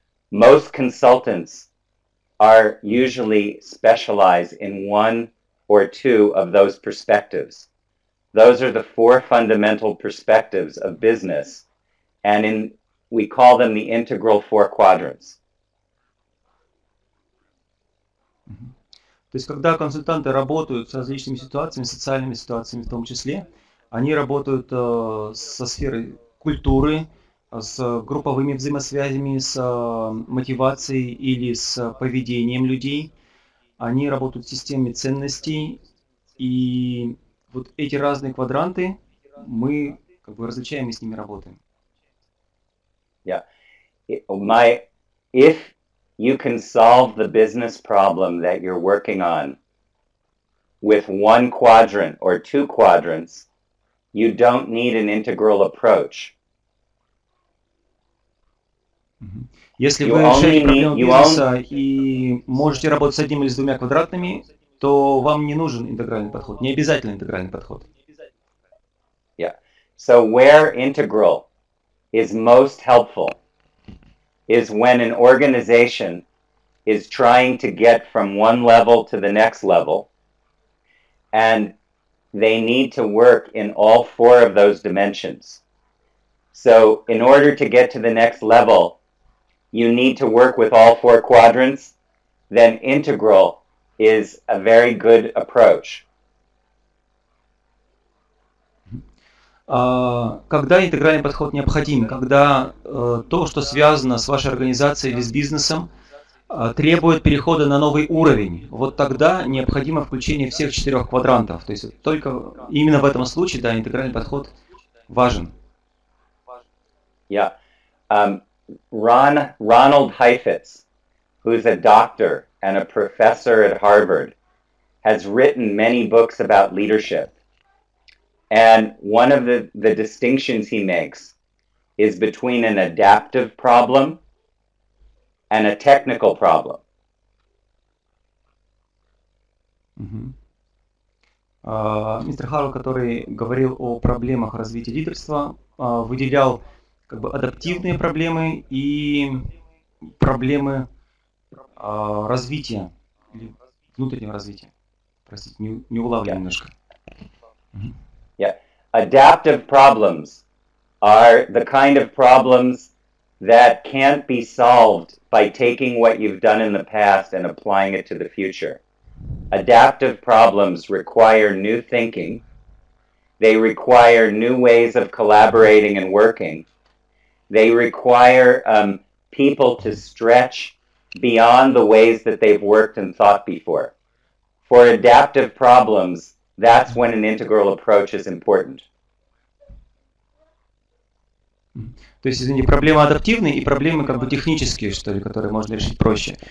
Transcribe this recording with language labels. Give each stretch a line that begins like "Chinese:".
English: Most consultants are usually specialized in one or two of those perspectives. Those are the four fundamental perspectives of business, and we call them the integral four quadrants.
Russian: То есть, когда консультанты работают с различными ситуациями, социальными ситуациями в том числе, они работают со сферой культуры, с групповыми взаимосвязями, с мотивацией или с поведением людей. Они работают с системами ценностей. И вот эти разные квадранты, мы как бы различаем и с ними работаем.
English: Yeah. My, if you can solve the business problem that you're working on with one quadrant or two quadrants, you don't need an integral approach.
Russian: Если вы решаете проблему бизнеса и можете работать с одним или с двумя квадратами, то вам не нужен интегральный подход, не обязательно интегральный подход.
English: Yeah. So where integral is most helpful is when an organization is trying to get from one level to the next level, and they need to work in all four of those dimensions. So in order to get to the next level, you need to work with all four quadrants, then integral is a very good approach.
Russian: Когда интегральный подход необходим? Когда то, что связано с вашей организацией или с бизнесом, требует перехода на новый уровень. Вот тогда необходимо включение всех четырех квадрантов. То есть только именно в этом случае, да, интегральный подход важен.
English: Yeah. Ronald Heifetz, who's a doctor and a professor at Harvard, has written many books about leadership. And one of the distinctions he makes is between an adaptive problem and a technical problem.
Russian: Мистер Харл, который говорил о проблемах развития лидерства, выделял как бы адаптивные проблемы и проблемы развития, или внутреннего развития. Простите, не улавливаю
English: yeah.
Russian: немножко.
English: Yeah. Adaptive problems are the kind of problems that can't be solved by taking what you've done in the past and applying it to the future. Adaptive problems require new thinking. They require new ways of collaborating and working. They require people to stretch beyond the ways that they've worked and thought before. For adaptive problems, that's when an integral approach is important.
Russian: То есть, извините, проблемы адаптивные и проблемы как бы технические, что ли, которые можно решить проще.